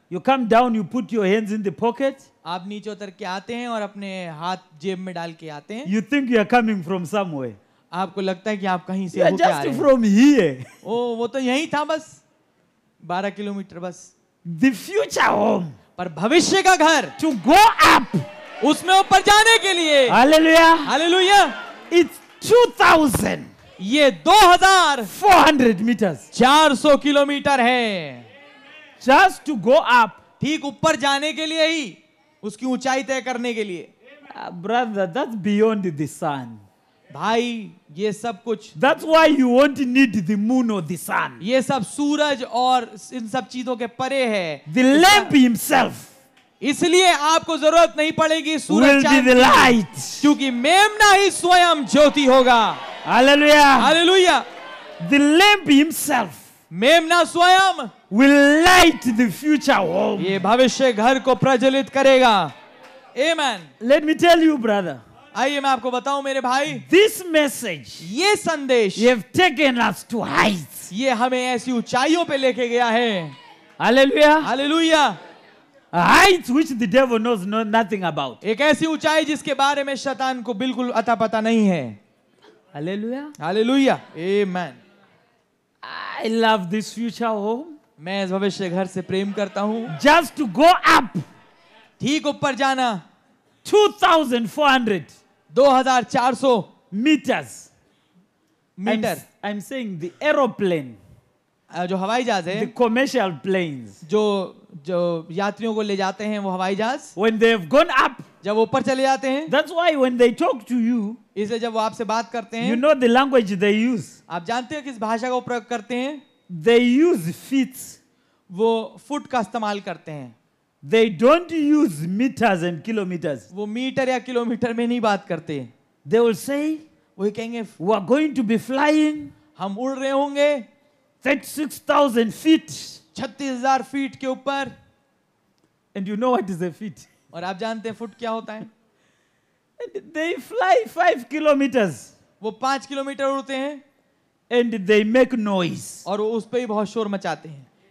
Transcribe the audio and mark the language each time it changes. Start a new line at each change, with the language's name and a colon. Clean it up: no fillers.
English: You come down, you put your hands in the pocket.
Hindi: आप नीचे उतर के आते हैं और अपने हाथ जेब में डाल के आते हैं.
English: You think you are coming from somewhere.
Hindi: आपको लगता है कि आप कहीं से
English: आ रहे हैं. Just from here.
Hindi: Oh, वो तो यहीं था बस. 12 किलोमीटर बस.
English: The future home.
Hindi: पर भविष्य का घर.
English: To go up.
Hindi: उसमें ऊपर जाने के लिए. Hallelujah. Hallelujah.
English: It's 2000.
Hindi: ये 2000.
English: 400 meters.
Hindi: 400 किलोमीटर है.
English: Just to go up.
Hindi: ठीक ऊपर जाने के लिए ही. उसकी ऊंचाई तय करने के लिए.
English: Brother, that's beyond the sun.
Hindi: भाई ये सब कुछ.
English: That's why you won't need the moon or the sun.
Hindi: ये सब सूरज और इन सब चीजों के परे है.
English: The lamp himself.
Hindi: इसलिए आपको जरूरत नहीं पड़ेगी सूरज
English: चांद की. Will be the light.
Hindi: क्योंकि मेमना ही स्वयं ज्योति होगा. Hallelujah. Hallelujah.
English: The lamp himself.
Hindi: मेमना स्वयं.
English: Will light the future home.
Hindi: ये भविष्य घर को प्रज्वलित करेगा. Amen.
English: Let me tell you, brother.
Hindi: आइए मैं आपको बताऊं मेरे भाई.
English: This message.
Hindi: ये संदेश.
English: You have taken us to heights.
Hindi: ये हमें ऐसी ऊंचाइयों पे लेके गया है. Hallelujah. Hallelujah.
English: A height which the devil knows nothing about.
Hindi: एक ऐसी ऊंचाई जिसके बारे में शैतान को बिल्कुल अता पता नहीं है. Hallelujah. Hallelujah. Amen.
English: I love this future home.
Hindi: मैं इस भविष्य घर से प्रेम करता हूँ.
English: Just to go up.
Hindi: ठीक ऊपर जाना.
English: 2400.
Hindi: 2400
English: meters.
Hindi: Meter.
English: I'm saying the aeroplane.
Hindi: जो हवाई जहाज है.
English: The commercial planes.
Hindi: जो यात्रियों को ले जाते हैं वो हवाई जहाज.
English: When they have gone up.
Hindi: जब ऊपर चले जाते हैं.
English: That's why when they talk to you.
Hindi: इसे जब वो आपसे बात करते हैं.
English: You know the language they use.
Hindi: आप जानते हैं किस भाषा का उपयोग करते हैं.
English: They use feet.
Hindi: वो फुट का इस्तेमाल करते हैं.
English: They don't use meters and kilometers.
Hindi: वो मीटर या किलोमीटर में नहीं बात करते.
English: They will say.
Hindi: वो कहेंगे.
English: We are going to be flying.
Hindi: हम उड़ रहे होंगे.
English: 36,000 feet.
Hindi: 36,000 feet के ऊपर.
English: And you know what is a feet.
Hindi: और आप जानते हैं फुट क्या होता है.
English: And they fly 5 kilometers.
Hindi: वो 5 kilometers उड़ते हैं.
English: And they make noise.
Hindi: और वो उस पे ही बहुत शोर मचाते हैं.